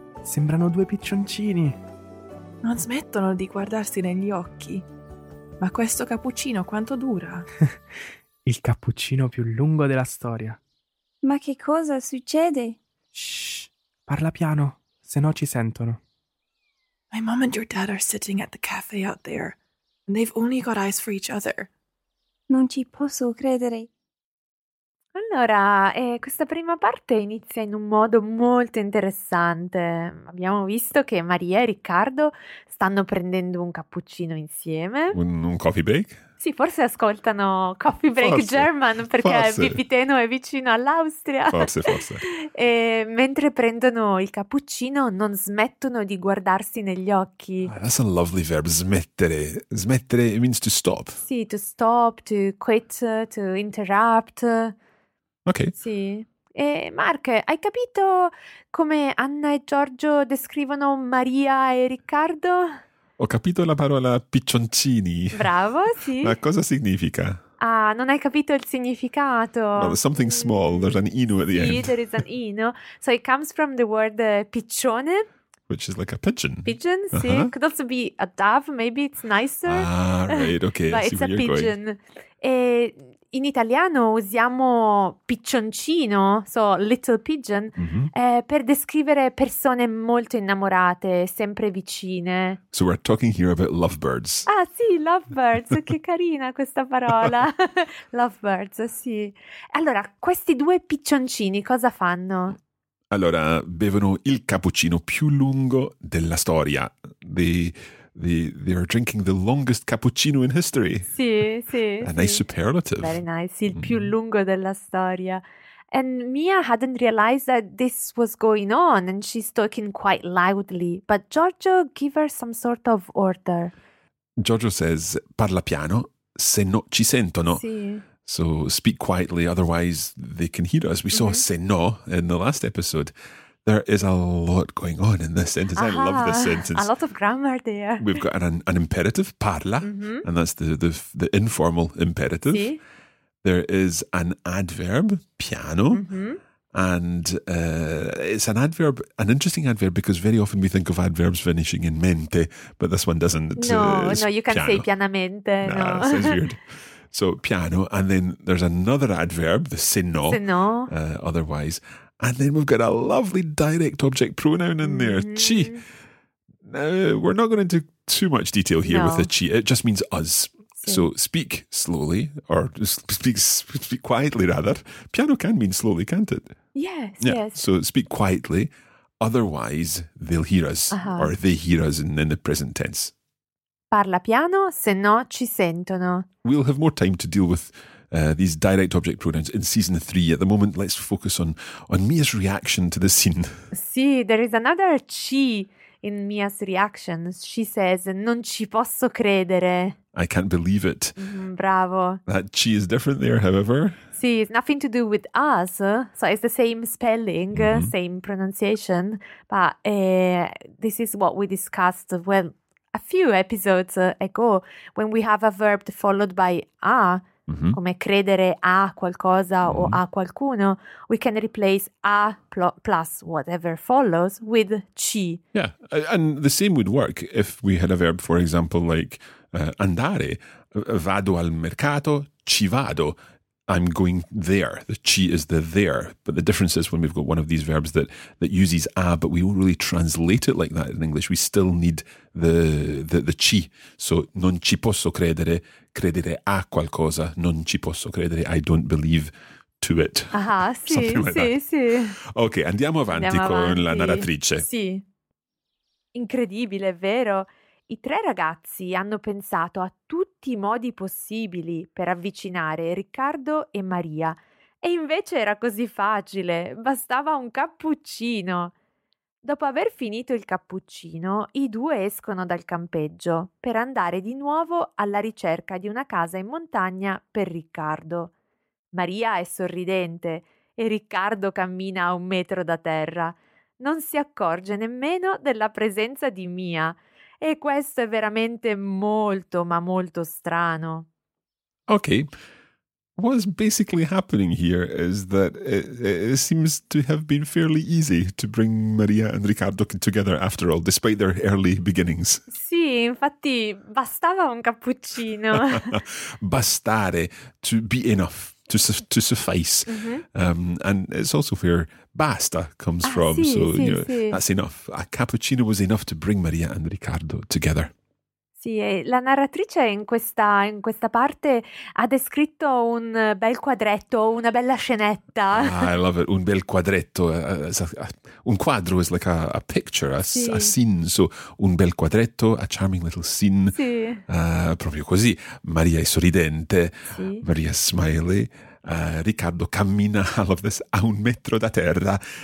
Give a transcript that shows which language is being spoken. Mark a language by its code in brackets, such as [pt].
[it] Sembrano due piccioncini! Non smettono di guardarsi negli occhi. Ma questo cappuccino quanto dura? Il cappuccino più lungo della storia. Ma che cosa succede? Shh! Parla piano, se no ci sentono. [en] My mom and your dad are sitting at the cafe out there, and they've only got eyes for each other. [it] Non ci posso credere. Allora, questa prima parte inizia in un modo molto interessante. Abbiamo visto che Maria e Riccardo stanno prendendo un cappuccino insieme. Un coffee break? Sì, forse ascoltano Coffee Break forse, [en] German [it] perché Bipiteno è vicino all'Austria. Forse. E mentre prendono il cappuccino non smettono di guardarsi negli occhi. [en] Oh, that's a lovely verb, smettere. Smettere means to stop. Sì, to stop, to quit, to interrupt. Ok. [it] Sì. E Mark, hai capito come Anna e Giorgio descrivono Maria e Riccardo? Ho capito la parola piccioncini. Bravo, sì. Ma cosa significa? Ah, non hai capito il significato. [en] No, something small, there's an ino at the [it] sì, [en] end. Sì, there is an ino. So it comes from the word piccione. Which is like a pigeon. Pigeon, sì. Uh-huh. Could also be a dove, maybe it's nicer. Ah, right, ok. But it's a pigeon. Going. [it] E in italiano usiamo piccioncino, [en] so little pigeon, [it] mm-hmm. Per descrivere persone molto innamorate, sempre vicine. [en] So we're talking here about lovebirds. [it] Ah sì, lovebirds, che carina questa parola. Lovebirds, sì. Allora, questi due piccioncini cosa fanno? Allora, bevono il cappuccino più lungo della storia. [en] They are drinking the longest cappuccino in history. [it] Sì, sì. [en] A nice superlative. Very nice. [it] Il più lungo della storia. [en] And Mia hadn't realized that this was going on and she's talking quite loudly. But Giorgio gave her some sort of order. Giorgio says, [it] parla piano, se no ci sentono. Sì. [en] So speak quietly, otherwise they can hear us. We saw mm-hmm. Seno in the last episode. There is a lot going on in this sentence. Aha, I love this sentence. A lot of grammar there. We've got an imperative, parla, mm-hmm. and that's the informal imperative. Si. There is an adverb, piano, mm-hmm. and it's an adverb, an interesting adverb, because very often we think of adverbs finishing in mente, but this one doesn't. No, you can't say pianamente. Nah, no, it's weird. So piano, and then there's another adverb, the seno, otherwise. And then we've got a lovely direct object pronoun in there, mm-hmm. chi. We're not going into too much detail here with the chi. It just means us. Si. So speak slowly, or speak quietly, rather. Piano can mean slowly, can't it? Yes. So speak quietly, otherwise they'll hear us, uh-huh. or they hear us in the present tense. [it] Parla piano, se no ci sentono. [en] We'll have more time to deal with these direct object pronouns in season 3. At the moment, let's focus on Mia's reaction to the scene. Sì, there is another ci in Mia's reaction. She says, [it] non ci posso credere. [en] I can't believe it. [it] Mm, bravo. [en] That ci is different there, however. Sì, it's nothing to do with us. So it's the same spelling, mm-hmm. same pronunciation. But this is what we discussed, well, a few episodes ago, when we have a verb followed by a, mm-hmm. [it] come credere a qualcosa mm-hmm. o a qualcuno, [en] we can replace a plus whatever follows with ci. Yeah, and the same would work if we had a verb, for example, like andare. [it] Vado al mercato, ci vado. [en] I'm going there. The ci is the there. But the difference is when we've got one of these verbs that uses a, but we won't really translate it like that in English. We still need the ci. [it] So non ci posso credere, credere a qualcosa, non ci posso credere, [en] I don't believe to it. Aha, sì, like sì, that. Sì. [it] Ok, andiamo avanti con la narratrice. Sì. Incredibile, è vero? I tre ragazzi hanno pensato a tutti i modi possibili per avvicinare Riccardo e Maria. E invece era così facile, bastava un cappuccino. Dopo aver finito il cappuccino, i due escono dal campeggio per andare di nuovo alla ricerca di una casa in montagna per Riccardo. Maria è sorridente e Riccardo cammina a un metro da terra. Non si accorge nemmeno della presenza di Mia. E questo è veramente molto, ma molto strano. [en] Okay. What's basically happening here is that it seems to have been fairly easy to bring Maria and Riccardo together after all, despite their early beginnings. [it] Sì, infatti, bastava un cappuccino. [en] Bastare, to be enough, to suffice. Mm-hmm. And it's also where basta comes from. Sì, so, sì, you know, sì. That's enough. A cappuccino was enough to bring Maria and Riccardo together. [it] Sì, la narratrice in questa parte ha descritto un bel quadretto, una bella scenetta. [en] Ah, I love it. [it] Un bel quadretto. [en] Un quadro is like a picture, a scene. So, [it] un bel quadretto, [en] a charming little scene. [it] Sì. Proprio così. Maria è sorridente. Sì. [en] Maria smiley. [it] Riccardo cammina, [en] I love this, [it] a un metro da terra.